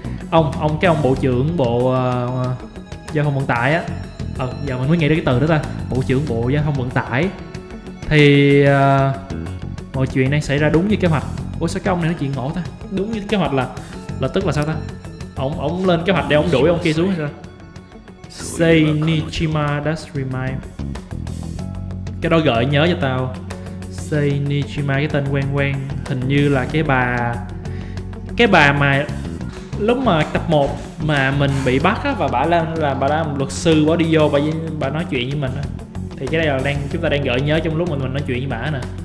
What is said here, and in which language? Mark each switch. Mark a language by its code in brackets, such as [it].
[vi] Ông bộ trưởng bộ giao thông vận tải á. Giờ mình mới nghĩ được cái từ đó ta. Bộ trưởng bộ giao thông vận tải. Thì mọi chuyện đang xảy ra đúng như kế hoạch. Ủa sao cái ông này nói chuyện ngổ ta? Đúng như kế hoạch là tức là sao ta? Ông lên kế hoạch để ông đuổi ông kia xuống hay sao? [en] Say Nishima does remind. [vi] Cái đó gợi nhớ cho tao. Say Nishima, cái tên quen. Hình như là cái bà mà lúc mà tập 1 mà mình bị bắt á, và bà làm luật sư, bà đi vô bà nói chuyện với mình á, thì cái đây là chúng ta đang gợi nhớ trong lúc mình nói chuyện với bà nè.